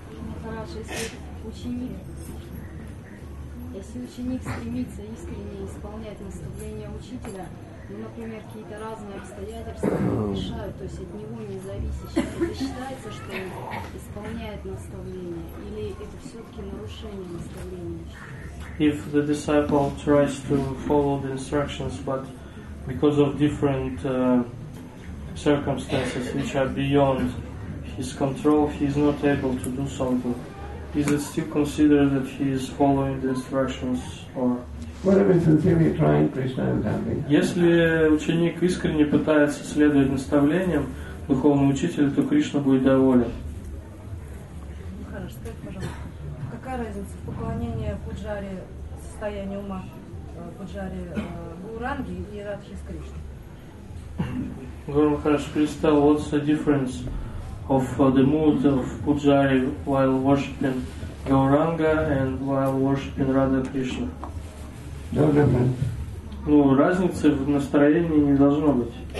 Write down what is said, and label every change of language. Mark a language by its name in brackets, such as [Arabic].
[Russian] Махарадж, если ученик стремится искренне исполнять наставления учителя, ну, например, какие-то разные обстоятельства мешают, то есть от него не зависящие, это считается, что он исполняет наставление, или это все-таки нарушение наставления? [English] If the disciple tries to follow the instructions, but because of different circumstances which are beyond his control, he is not able to do something. Is it still considered that he is following the instructions or? [Russian] Если ученик искренне пытается следовать наставлениям духовного учителя, то Кришна будет доволен. Хорошо, скажите, пожалуйста, какая разница в поклонении пуджаре состоянию ума, пуджаре Гауранги и Радхи с Кришной? [English] Гуру Махарадж, please tell what's the difference of the mood of pujari while worshipping Gauranga and while worshipping Radha Krishna? [Russian] Ну, разницы в настроении не должно быть.